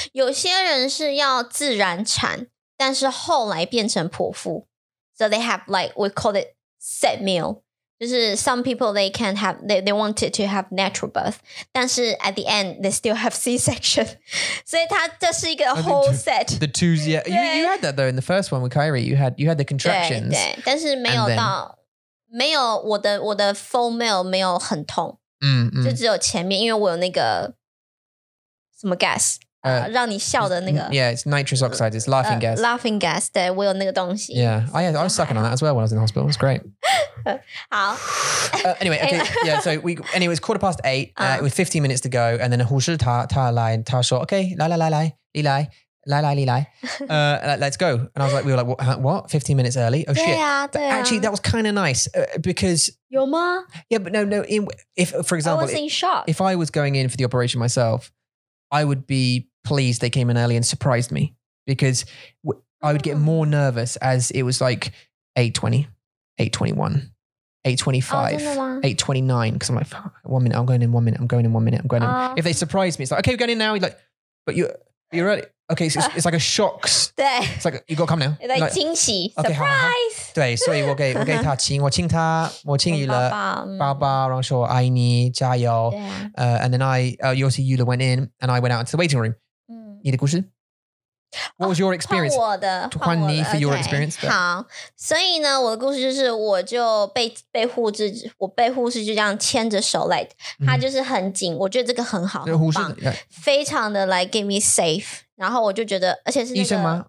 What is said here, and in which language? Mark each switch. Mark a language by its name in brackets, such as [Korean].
[Chinese] 有些人是要自然产，但是后来变成剖腹。 [English] So they have like, we call it set meal. [Chinese] 就是 [English] some people they can have, they wanted to have natural birth. [Chinese] 但是 [English] at the end, they still have C-section. [Chinese] 所以它这是一个 [English] whole set. The two, yeah. You had that though in the first one with Kyrie. You had the contractions. [Chinese] 对，但是没有到，没有我的 [English] full meal [Chinese] 没有很痛。就只有前面，因为我有那个什么 gas。让你笑的那个 [English] Yeah, it's nitrous oxide, it's laughing gas. Laughing gas, [Chinese] 对，我有那个东西 [English] Yeah, I was sucking on that as well when I was in the hospital, it was great. [Chinese] 好 [English] Anyway, okay, yeah, so anyway, it's 8:15, it was 15 minutes to go, and then [Chinese] 护士他来，他说 [English] Okay, [Chinese] 来来来来 [English] let's go. And I was like, we were like, what? 15 minutes early? Oh, shit. [Chinese] 对啊，对啊。 [English] Actually, that was kind of nice because... [Chinese] 有吗？ [English] Yeah, but no, if, for example... I was in shock. If I was going in for the operation myself... I would be pleased they came in early and surprised me because I would get more nervous as it was like 8:20, 8:21, 8:25, 8:29. Because I'm like, 1 minute, I'm going in 1 minute, I'm going in 1 minute, I'm going in. If they surprise me, it's like, okay, we're going in now. You're like, but you're early. Okay, so it's like a shock. It's like, you got to come now. [Chinese] It's like 惊喜, [English] okay, surprise. [Chinese] 对，所以我给他亲，我亲宇了，爸爸，然后说爱你，加油。 [English] And then I, Yossi Yula went in, and I went out into the waiting room. [Chinese] 你的故事? [English] What was your experience? [Chinese] 换我的，换你 [English] for your experience. [Chinese] 好，所以呢，我的故事就是，我就被护士就这样牵着手来，他就是很紧，我觉得这个很好，护士非常的来 [English] give me safe。 [Chinese] 然后我就觉得，而且是、那个、医生吗？